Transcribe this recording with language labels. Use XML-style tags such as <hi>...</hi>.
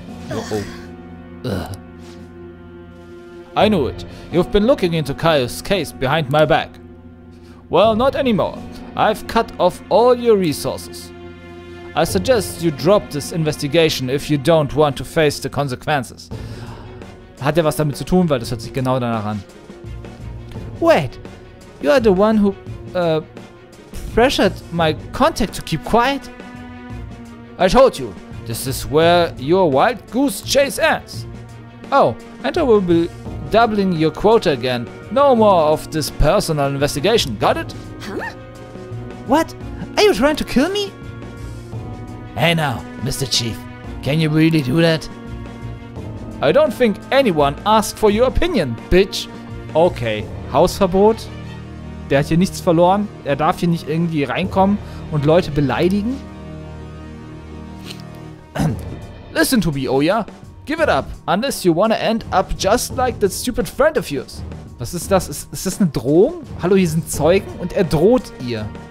<en>Uh-oh. I knew it. You've been looking into Kaio's case behind my back. Well, not anymore. I've cut off all your resources. I suggest you drop this investigation if you don't want to face the consequences.</en> <de>Hat er was damit zu tun, weil das hört sich genau danach an.</de> <en>Wait, you are the one who pressured my contact to keep quiet? I told you, this is where your wild goose chase ends. Oh, and I will be doubling your quota again. No more of this personal investigation, got it? Huh? What? Are you trying to kill me? Hey now, Mr. Chief, can you really do that? I don't think anyone asked for your opinion, bitch.</en> <de>Okay, Hausverbot. Der hat hier nichts verloren. Er darf hier nicht irgendwie reinkommen und Leute beleidigen.</de> <en>Listen to me, Oya. Give it up, unless you wanna end up just like that stupid friend of yours.</en> <de>Was ist das? Ist das eine Drohung? Hallo, hier sind Zeugen und er droht ihr.</de>